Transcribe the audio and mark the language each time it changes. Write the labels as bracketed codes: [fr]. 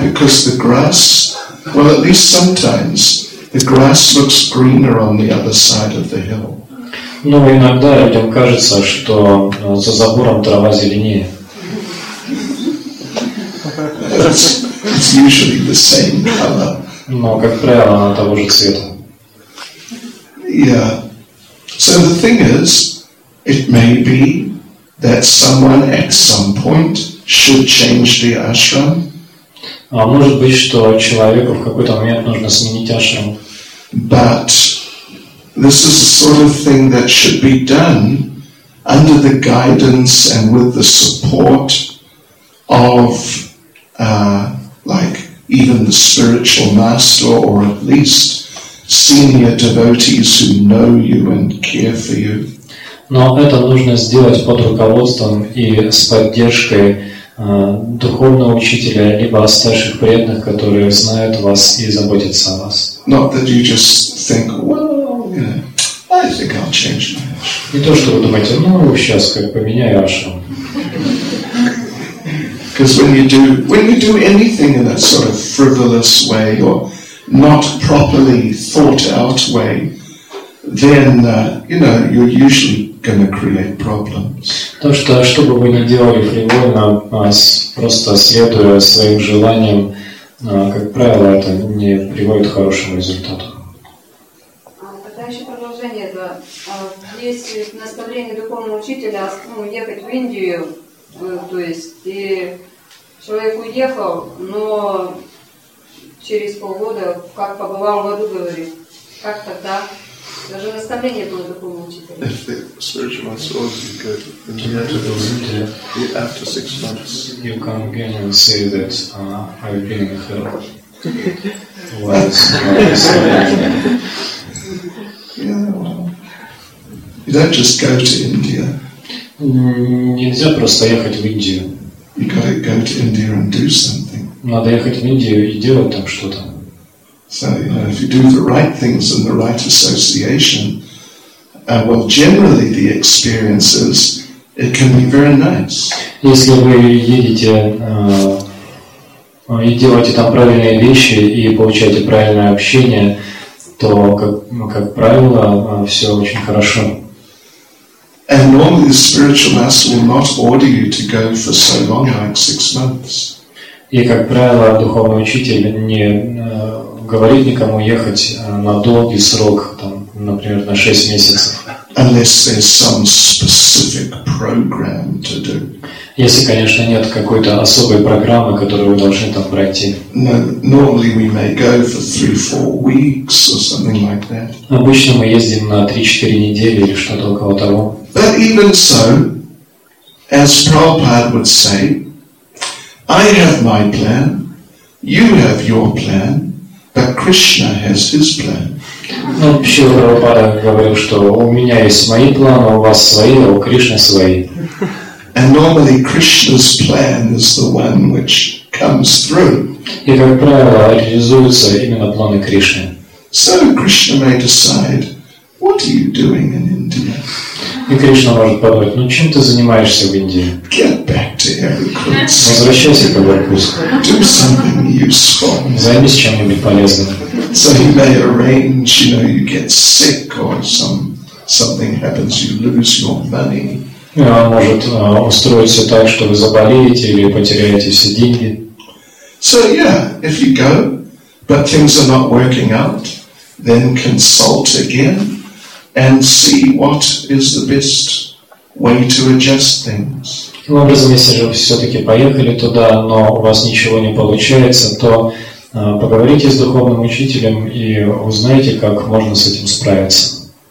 [en] Because the grass, well, at least sometimes, the grass looks greener on the other side of the hill. [ru] Но иногда людям кажется, что за забором трава зеленее. [en] It's usually the same color. [ru] Но, как правило, она того же цвета. [en] Yeah. So the thing is, it may be that someone at some point should change the ashram. [ru] А может быть, что человеку в какой-то момент нужно сменить ашрам. [en] But this is the sort of thing that should be done under the guidance and with the support of like even the spiritual master or at least senior devotees who know you and care for you. [ru] Но это нужно сделать под руководством и с поддержкой духовного учителя, либо старших преданных, которые знают вас и заботятся о вас. [en] Not that you just think, well, you know, I think I'll change my ashram. [ru] Не то, что вы думаете, ну, сейчас как поменяю ашрам. [en] Because when you do anything in that sort of frivolous way or not properly thought out way, then, you know, you're usually going to create problems. [ru] То, что бы вы ни делали фривольно, просто следуя своим желаниям, как правило, это не приводит к хорошему результату. Тогда еще продолжение. Да. Есть наставление духовного учителя, ну, ехать в Индию, то есть, и человек уехал, но через полгода, как побывал в аду, говорит, как тогда? Даже наставление было такого учителя. [en] If the spiritual master goes to India after 6 months, you come again and say that I've been in hell. You don't just go to India. [ru] Нельзя просто ехать в Индию. [en] You gotta go to India and do something. [ru] Надо ехать в Индию и делать там что-то. [en] So, you know, if you do the right things in the right association, well, generally the experience is, it can be very nice. [ru] Если вы едете и делаете там правильные вещи и получаете правильное общение, то, как правило, все очень хорошо. [en] And normally the spiritual master will not order you to go for so long, like 6 months. [ru] И, как правило, духовный учитель не говорит никому ехать на долгий срок, там, например, на 6 месяцев. [en] Unless there's some specific program to do. [ru] Если, конечно, нет какой-то особой программы, которую вы должны там пройти. [en] No, normally we may go for 3-4 weeks or something like that. [ru] Обычно мы ездим на 3-4 недели или что-то около того. [en] But even so, as Prabhupada would say, I have my plan, you have your plan, but Krishna has his plan. [ru] Ну, еще Прабхупада говорил, что у меня есть мои планы, у вас свои, а у Кришны свои. [en] And normally Krishna's plan is the one which comes through. [ru] И, как правило, реализуются именно планы Кришны. [en] So Krishna may decide, what are you doing in India? [ru] И Кришна может подумать, ну чем ты занимаешься в Индии? [en] Get back to Irkutsk. [ru] Возвращайся к Иркутск. [en] Do something useful. [ru] Займись чем-нибудь полезным. [en] So he may arrange, you know, you get sick or something happens, you lose your money. [ru] И он может устроить все так, что вы заболеете или потеряете все деньги. [en] So yeah, if you go, but things are not working out, then consult again and see what is the best way to adjust things. [ru] Таким образом, если же вы все-таки поехали туда, но у вас ничего не получается, то поговорите с духовным учителем и узнайте, как можно с этим справиться.